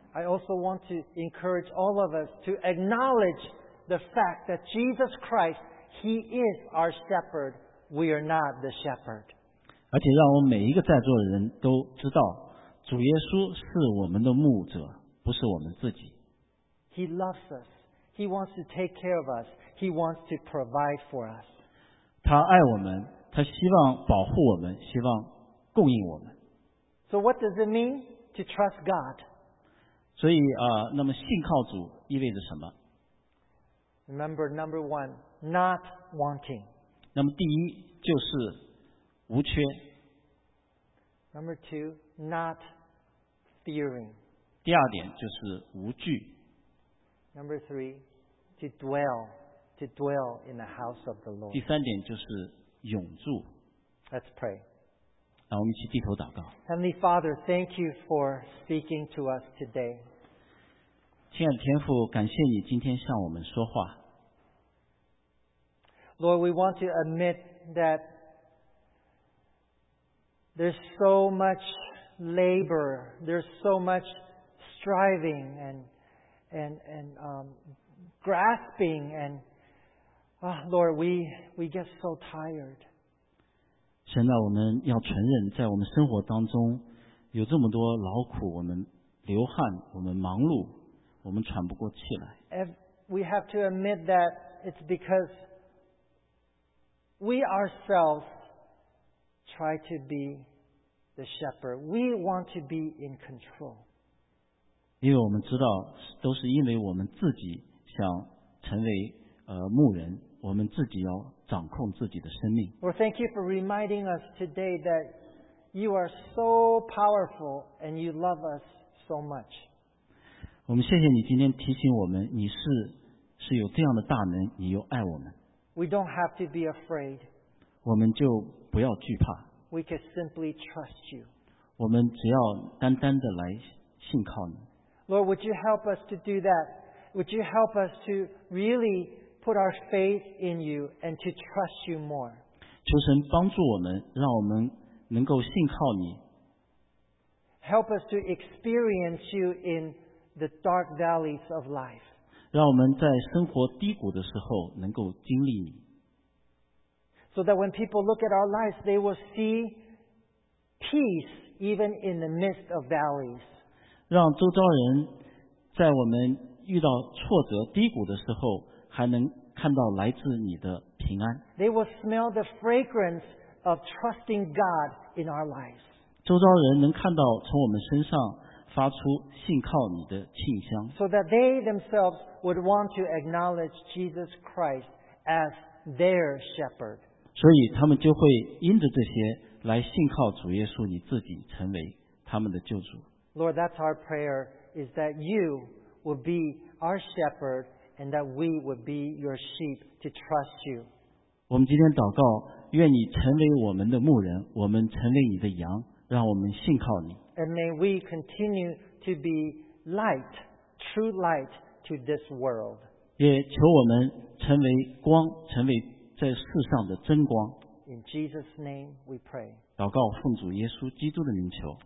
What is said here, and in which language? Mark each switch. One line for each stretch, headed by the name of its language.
English: I also want to encourage all of us to acknowledge the fact that Jesus Christ, He is our shepherd. We are not the shepherd.
Chinese: 而且让我们每一个在座的人都知道，主耶稣是我们的牧者，不是我们自己。
English: He loves us. He wants to take care of us. He wants to provide for us.
Chinese: 他爱我们，他希望保护我们，希望供应我们。
English: So what does it mean to trust God?
Chinese: 所以那么信靠主意味着什么？
English: Remember, number one, not wanting.
Chinese: 那么第一就是无缺。
English: Number two, not fearing.
Chinese: 第二点就是无惧。
English: Number three, to dwell in the house of the Lord.
Chinese: 第三点就是永住。
English: Let's pray.
Chinese: 让我们一起低头祷告。
English: Heavenly Father, thank you for speaking to us today.
Chinese: 亲爱的天父，感谢你今天向我们说话。
English: Lord, we want to admit that there's so much labor, there's so much striving and grasping, and Lord, we get so tired.
Chinese: 神啊，我们要承认，在我们生活当中有这么多劳苦，我们流汗，我们忙碌，我们喘不过气来。
English: We have to admit that it's because we ourselves try to be the shepherd. We want to be in control.
Chinese: 因为我们知道，都是因为我们自己想成为牧人，我们自己要掌控自己的生命。
English: Lord, thank you for reminding us today that you are so powerful and you love us so much.
Chinese: 我们谢谢你今天提醒我们，你是有这样的大能，你又爱我们。
English: We don't have to be afraid.
Chinese: 我们就不要惧怕。
English: We can simply trust you.
Chinese: 我们只要单单的来信靠你。
English: Lord, would you help us to do that? Would you help us to really put our faith in you and to trust you more?
Chinese: 求神帮助我们，让我们能够信靠你。
English: Help us to experience you in the dark valleys of life.
Chinese: 让我们在生活低谷的时候能够经历你。
English: So that when people look at our lives, they will see peace even in the midst of valleys.
Chinese: 让周遭人在我们遇到挫折低谷的时候还能看到来自你的平安。
English: They will smell the fragrance of trusting God in our lives.
Chinese: 周遭人能看到从我们身上发出信靠你的馨香。
English: So that they themselves would want to acknowledge Jesus Christ as their shepherd.
Chinese: 所以他们就会因着这些来信靠主耶稣，你自己成为他们的救主。
English: Lord, that's our prayer, is that you would be our shepherd. And that we would be your sheep to trust you.
Chinese: 我们今天祷告，愿你成为我们的牧人，我们成为你的羊，让我们信靠你。
English: And may we continue to be light, true light to this world.
Chinese: 也求我们成为光，成为在世上的真光。
English: In Jesus' name we pray.
Chinese: 祷告奉主耶稣基督的名求。